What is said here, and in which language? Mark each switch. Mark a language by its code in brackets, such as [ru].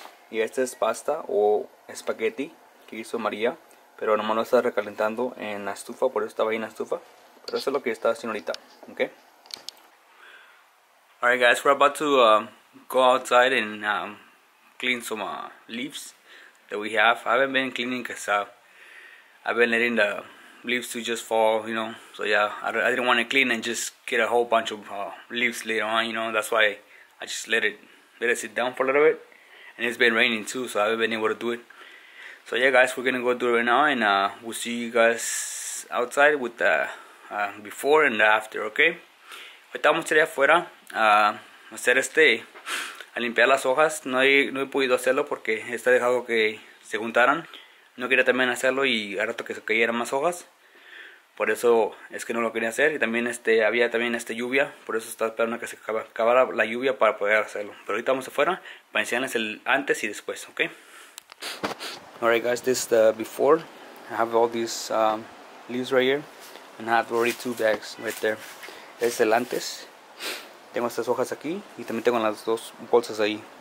[es] Y este es pasta o espagueti que hizo María. Pero nomás lo estaba recalentando en la estufa. Por eso estaba ahí en la estufa. Pero eso es lo que está haciendo ahorita. Ok. [en] Alright, guys, we're about to go outside and clean some leaves that we have. I haven't been cleaning because I've been letting the leaves to just fall, you know. So yeah, I didn't want to clean and just get a whole bunch of leaves later on, you know. That's why I just let it sit down for a little bit. And it's been raining too, so I haven't been able to do it. So yeah, guys, we're gonna go do it right now, and we'll see you guys outside with the before and the after, okay? [es] Estamos allá afuera a hacer este. A limpiar las hojas, no he podido hacerlo porque está dejado que se juntaran. No quería también hacerlo y al rato que se cayeran más hojas. Por eso es que no lo quería hacer. Y también había también lluvia. Por eso estaba esperando que se acabara la lluvia para poder hacerlo. Pero ahorita vamos afuera para enseñarles el antes y después, ok? [en] Alright, guys, this is the before. I have all these leaves right here. And I have already two bags right there. [es] Es el antes. Tengo estas hojas aquí y también tengo las dos bolsas ahí.